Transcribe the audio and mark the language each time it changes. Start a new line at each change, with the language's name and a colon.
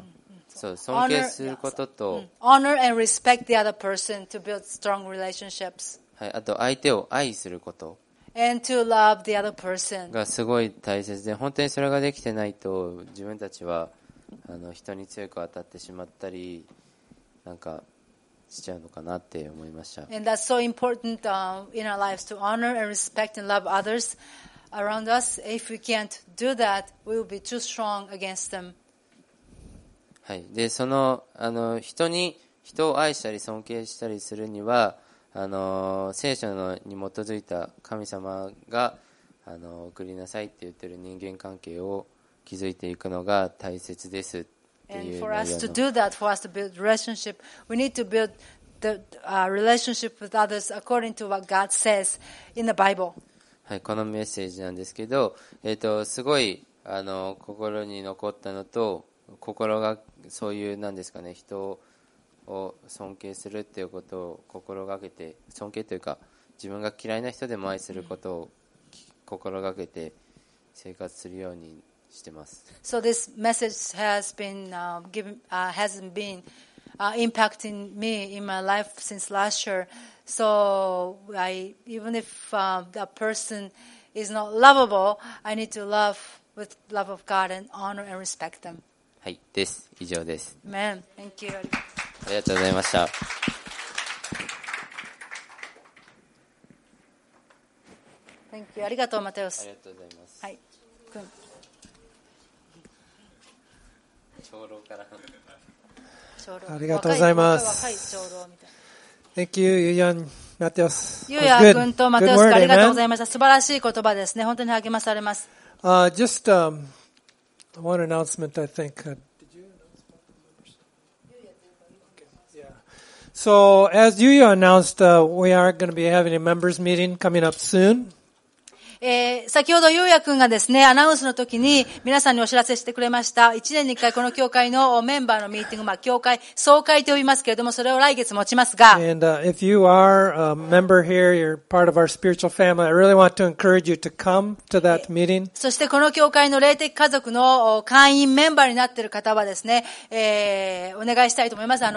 Japanese: Mm-hmm. そう、尊敬することと、
English: honor and respect the other person to build strong relationships.
Japanese: はい、あと相手を愛すること。
English: and to love the other person.
Japanese: がすごい大切で、本当にそれができてないと、自分たちは、人に強く当たってしまったり、なんか、しちゃうのかなって思いました。
English: and that's so important, in our lives to honor and respect and love others around us. If we can't do that, we will be too strong against them.
Japanese: はい。で、その、人を愛したり尊敬したりするには、聖書のに基づいた神様が、送りなさいって言ってる人間関係を築いていくのが大切です。
English: And for us to do that, for us to build relationship, we need to build the relationship with others according to what God says in the Bible.
Japanese: はい、このメッセージなんですけど、すごい、心に残ったのと、心がそういう、なんですかね、人を尊敬するっていうことを心がけて、尊敬というか、自分が嫌いな人でも愛することを心がけて生活するようにしてます。
English: So this message has been, hasn't been, impacting me in my life since last year. So, I, even if, that person is not lovable, I need to love with love of God and honor and respect them.
Japanese: はい、です。以上です。
English: Amen. Thank you.
Japanese: ありがとうございました。
English: Thank you.
Japanese: ありがとう、
English: マテオス。
Japanese: ありがとうございます。はい。くん。長老から。長老。ありがとうございます。若い長老みたいな。
English: Thank you, Yuyan, Mateos.
Japanese: Yuya 君と Mateos 君、ありがとうございました。素晴らしい言葉ですね。本当に励まされます。
English: Just, one announcement, I think. Did you announce about the members? Okay. Yeah. So, as Yuya announced, we are going to be having a members meeting coming up soon.
Japanese: 先ほど、ゆうやくんがですね、アナウンスの時に皆さんにお知らせしてくれました。一年に一回この教会のメンバーのミーティング、まあ、教会、総会と呼びますけれども、それを来月持ちますが。
English: And, if you are a member here, you're part of our spiritual family, I really want to encourage you to come to that meeting.
Japanese: そしてこの教会の霊的家族の会員メンバーになっている方はですね、お願いしたいと思います。